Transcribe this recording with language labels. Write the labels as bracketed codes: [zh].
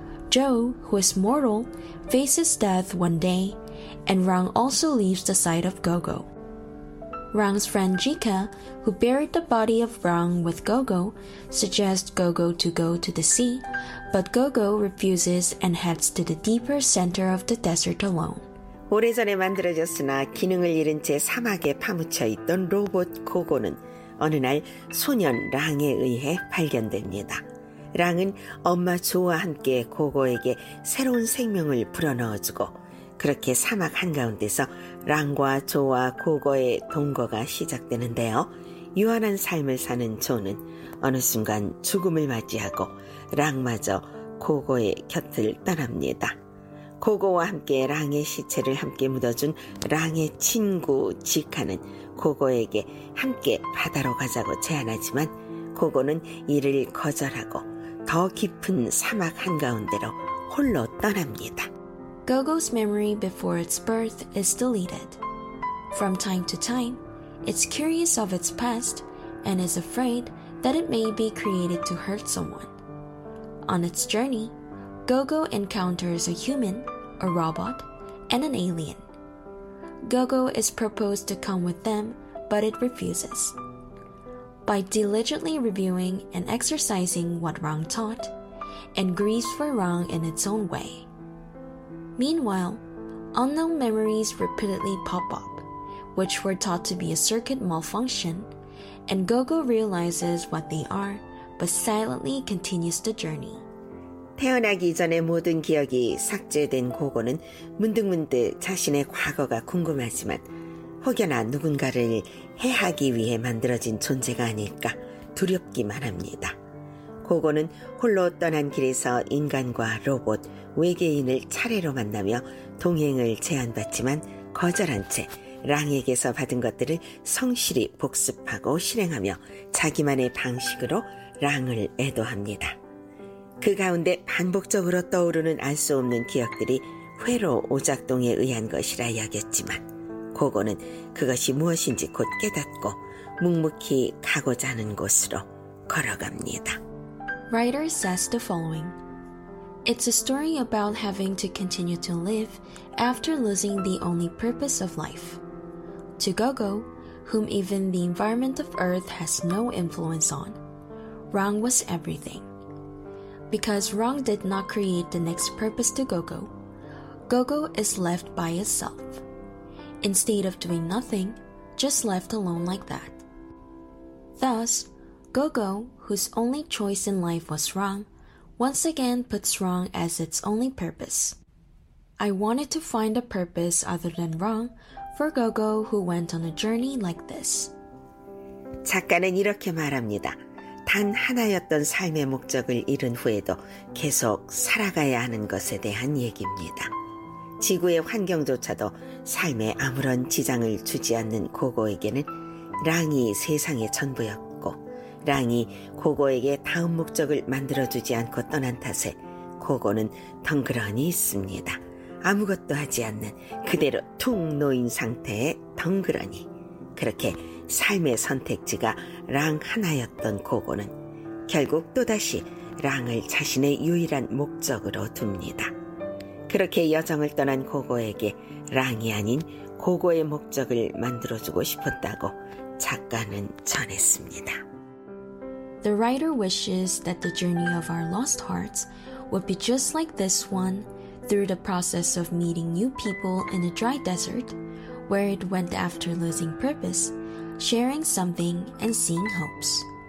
[en] Jo, who is mortal, faces death one day and Rang also leaves the side of Gogo. Rang's friend Jika, who buried the body of Rang with Gogo, suggests Gogo to go to the sea, but Gogo refuses and heads to the deeper center of the desert alone. [ko] 오래전에 만들어졌으나 기능을 잃은 채 사막에 파묻혀 있던 로봇 고고는 어느 날 소년 랑에 의해 발견됩니다. 랑은 엄마 조와 함께 고고에게 새로운 생명을 불어넣어주고 그렇게 사막 한가운데서 랑과 조와 고고의 동거가 시작되는데요. 유한한 삶을 사는 조는 어느 순간 죽음을 맞이하고 랑마저 고고의 곁을 떠납니다. 고고와 함께 랑의 시체를 함께 묻어준 랑의 친구 지카는 고고에게 함께 바다로 가자고 제안하지만 고고는 이를 거절하고 더 깊은 사막 한가운데로 홀로 떠납니다. [en] Gogo's memory before its birth is deleted. From time to time, it's curious of its past and is afraid that it may be created to hurt someone. On its journey, Gogo encounters a human, a robot, and an alien. Gogo is proposed to come with them, but it refuses. By diligently reviewing and exercising what Rang taught, and grieves for Rang in its own way. Meanwhile, unknown memories repeatedly pop up, which were taught to be a circuit malfunction, and Gogo realizes what they are, but silently continues the journey. [ko] 태어나기 전에 모든 기억이 삭제된 고고는 문득문득 자신의 과거가 궁금하지만 혹여나 누군가를 해하기 위해 만들어진 존재가 아닐까 두렵기만 합니다. 고고는 홀로 떠난 길에서 인간과 로봇, 외계인을 차례로 만나며 동행을 제안받지만 거절한 채 랑에게서 받은 것들을 성실히 복습하고 실행하며 자기만의 방식으로 랑을 애도합니다. 그 가운데 반복적으로 떠오르는 알 수 없는 기억들이 회로 오작동에 의한 것이라 여겼지만 고고는 그것이 무엇인지 곧 깨닫고 묵묵히 가고자 하는 곳으로 걸어갑니다. [en] Writer says the following. It's a story about having to continue to live after losing the only purpose of life. To Gogo, whom even the environment of Earth has no influence on, Rang was everything. Because Rang did not create the next purpose to Gogo, Gogo is left by itself. Instead of doing nothing, just left alone like that. Thus, Gogo, whose only choice in life was wrong, once again puts wrong as its only purpose. I wanted to find a purpose other than wrong for Gogo who went on a journey like this. [ko] 작가는 이렇게 말합니다. 단 하나였던 삶의 목적을 잃은 후에도 계속 살아가야 하는 것에 대한 얘기입니다. 지구의 환경조차도 삶에 아무런 지장을 주지 않는 고고에게는 랑이 세상의 전부였고 랑이 고고에게 다음 목적을 만들어주지 않고 떠난 탓에 고고는 덩그러니 있습니다. 아무것도 하지 않는 그대로 퉁 놓인 상태의 덩그러니. 그렇게 삶의 선택지가 랑 하나였던 고고는 결국 또다시 랑을 자신의 유일한 목적으로 둡니다. 그렇게 여정을 떠난 고고에게 랑이 아닌 고고의 목적을 만들어주고 싶었다고 작가는 전했습니다. [en] The writer wishes that the journey of our lost hearts would be just like this one through the process of meeting new people in a dry desert where it went after losing purpose, sharing something, and seeing hopes.